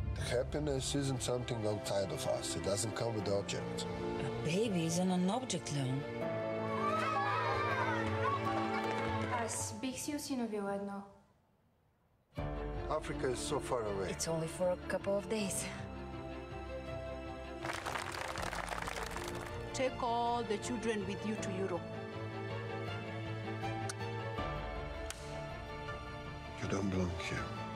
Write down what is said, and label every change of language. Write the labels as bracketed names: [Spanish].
[English] Happiness isn't something outside of us. It doesn't come with objects. A baby isn't an object, Leon. [Bulgarian] Аз бих си осиновила едно. [English] Africa is so far away. It's only for a couple of days. Take all the children with you to Europe. You don't belong here.